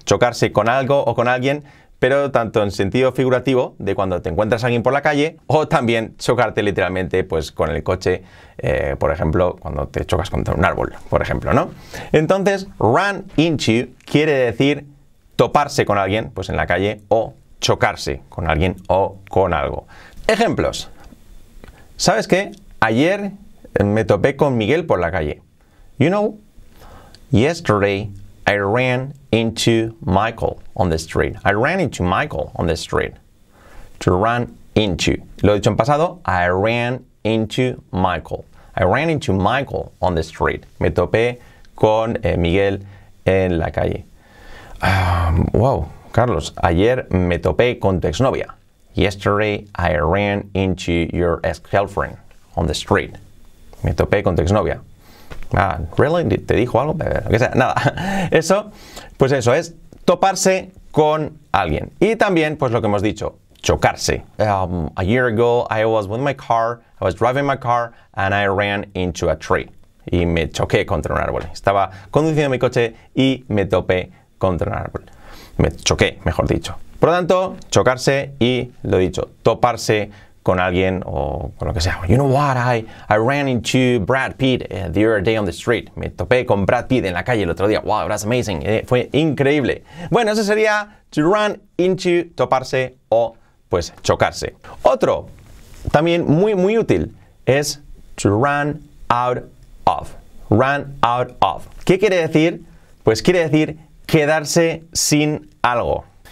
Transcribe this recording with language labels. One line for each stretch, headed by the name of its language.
Spanish: Chocarse con algo o con alguien, pero tanto en sentido figurativo, de cuando te encuentras a alguien por la calle, o también chocarte literalmente, pues, con el coche, por ejemplo, cuando te chocas contra un árbol, por ejemplo, ¿no? Entonces, run into quiere decir toparse con alguien, pues, en la calle, o chocarse con alguien o con algo. Ejemplos. ¿Sabes qué? Ayer me topé con Miguel por la calle.
English: You know, yesterday I ran into Michael on the street. I ran into Michael on the street. To run into.
Spanish: Lo he dicho en pasado.
English: I ran into Michael. I ran into Michael on the street.
Spanish: Me topé con Miguel en la calle. Wow, Carlos. Ayer me topé con tu exnovia.
English: Yesterday I ran into your ex-girlfriend on the street.
Spanish: Me topé con tu exnovia. Ah, ¿really? ¿Te dijo algo? Lo que sea, nada. Eso, pues eso, es toparse con alguien. Y también, pues lo que hemos dicho, chocarse.
English: A year ago, I was with my car, I was driving my car, and I ran into a tree.
Spanish: Y me choqué contra un árbol. Estaba conduciendo mi coche y me topé contra un árbol. Me choqué, mejor dicho. Por lo tanto, chocarse y, lo dicho, toparse con alguien o con lo que sea.
English: You know what? I ran into Brad Pitt the other day on the street.
Spanish: Me topé con Brad Pitt en la calle el otro día.
English: Wow, that's amazing.
Spanish: Fue increíble. Bueno, eso sería to run into, toparse o, pues, chocarse. Otro, también muy, muy útil, es to run out of. Run out of. ¿Qué quiere decir? Pues quiere decir quedarse sin algo.